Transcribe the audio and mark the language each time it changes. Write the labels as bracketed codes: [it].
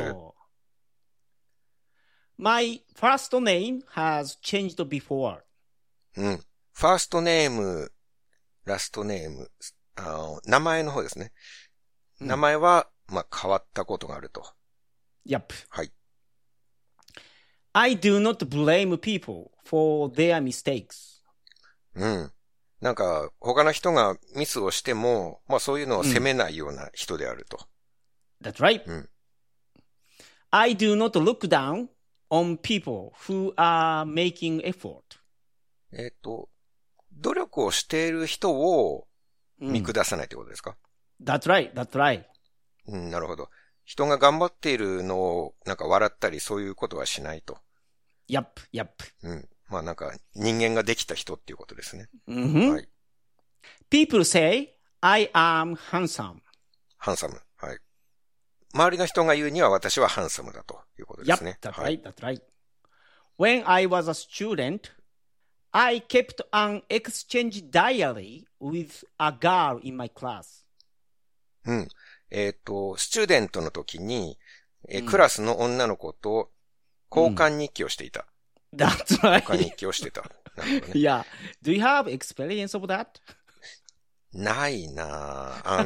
[en] ょう？My first name has changed before. [ja] うん。ファーストネーム、ラストネーム、名前の方ですね。名前は、まあ、変わったことがあると。 [en] Yep. [ja] はい。 [en] I do not blame people for their mistakes. [ja] うん。なんか、他の人がミスをしても、まあ、そういうのを責めないような人であると。 [en] That's right. [ja] うん。 [en] I do not look down on people who are making effort. [ja] 努力をしている人を見下さないということですか？ [en] That's right. That's right. [ja] うん、なるほど。人が頑張っているのをなんか笑ったりそういうことはしないと。 Yep. Yep. うん。まあなんか人間ができた人っていうことですね。はい。 [en] People say I am handsome. [ja] ハンサム。はい。周りの人が言うには私はハンサムだということです [en] Yep, [ja] ね。 [en] that's [ja] はい。 [en] right, that's right. When I was a student, I kept an exchange diary with a girl in my class. [ja] うん。スチューデントの時に、クラスの女の子と交換日記をしていた。 [en] That's [ja] 交換日 [en] right. [ja] 記をしてた。なるほどね。 [en] Yeah, do you have experience of that? [ja] ないな。